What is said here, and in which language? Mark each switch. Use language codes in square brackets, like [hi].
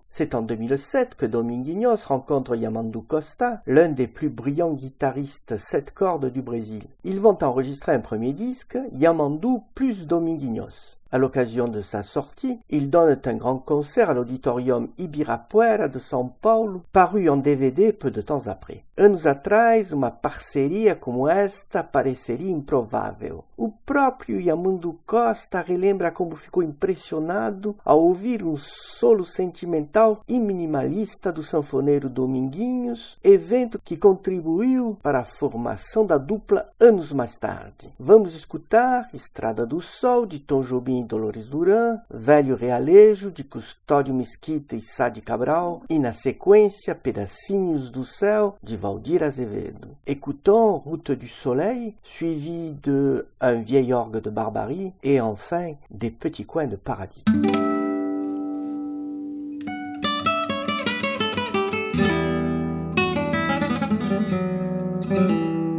[fr] C'est en 2007 que Dominguinhos rencontre Yamandu Costa, l'un des plus brillants guitaristes sept cordes du Brésil. Ils vont enregistrer un premier disque, Yamandu plus Dominguinhos. À l'occasion de sa sortie, il donne un grand concert à l'auditorium Ibirapuera de São Paulo, paru en DVD peu de temps après. [pt] Anos atrás, uma parceria como esta pareceria improvável. O próprio Yamandu Costa relembra como ficou impressionado ao ouvir solo sentimental e minimalista do sanfoneiro Dominguinhos, evento que contribuiu para a formação da dupla anos mais tarde. Vamos escutar Estrada do Sol, de Tom Jobim e Dolores Duran, Velho Realejo, de Custódio Mesquita e Sá de Cabral, e na sequência, Pedacinhos do Céu, de Valdir Azevedo. [fr] Écoutons Route du Soleil, suivi de Un vieil orgue de barbarie, et enfin, Des petits coins de paradis. [en] Thank you.